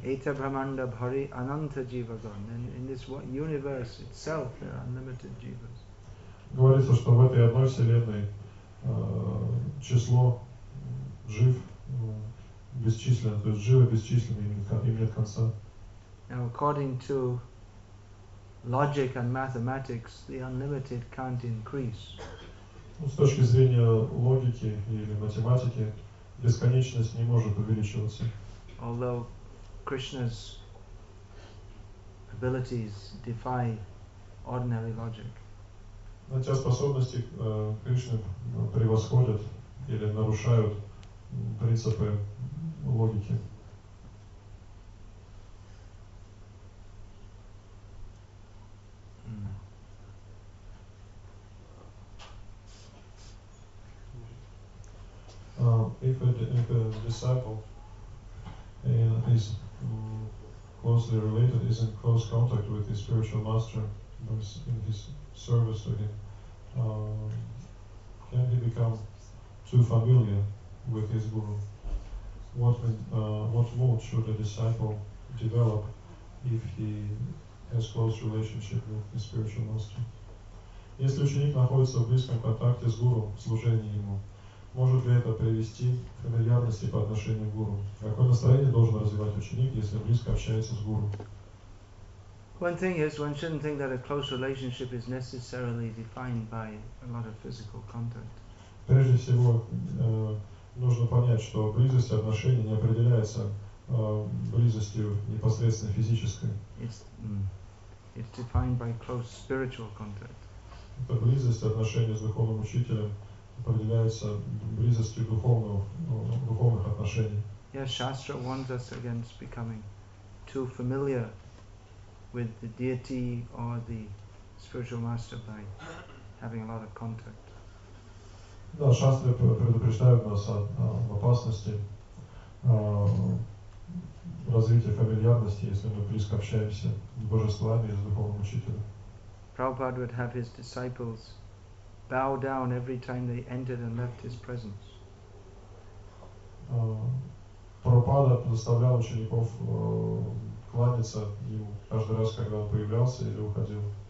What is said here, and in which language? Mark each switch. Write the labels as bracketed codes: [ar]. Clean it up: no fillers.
[bn] Эта Брахманда Бхари Ананта Дживагон. [en] In this universe itself there are unlimited jivas. [ru] Говорится, что в этой одной вселенной число жив бесчисленно, то есть живы бесчисленны и нет конца. [en] Now according to logic and mathematics, the unlimited can't increase. [ru] С точки зрения логики или математики, бесконечность не может увеличиваться. [en] Although Krishna's abilities defy ordinary logic. [ru] Хотя способности Кришны превосходят или нарушают принципы логики. [en] If a disciple is closely related, is in close contact with his spiritual master, is in his service to him, can he become too familiar with his guru? What mood should a disciple develop if he has close relationship with his spiritual master? [ru] Если ученик находится в близком контакте с гуру, в служении ему, может ли это привести к фамильярности по отношению к гуру? Какое настроение должен развивать ученик, если близко общается с гуру? [en] One thing is, one shouldn't think that a close relationship is necessarily defined by a lot of physical contact. [ru] Прежде всего, нужно понять, что близость отношений не определяется близостью непосредственно физической. [en] It's defined by close spiritual contact. [ru] Это близость отношений с духовным учителем определяется близостью духовных отношений. [en] Yes, Shastra warns us against becoming too familiar with the deity or the spiritual master by having a lot of contact. [ru] Да, Шастры предупреждают нас об опасности развития фамильярности, если мы близко общаемся с божествами и с духовным учителем. [en] Prabhupada would have his disciples bow down every time they entered and left his presence. [ru] Прабхупада заставлял учеников кланяться ему каждый раз, когда он появлялся или уходил.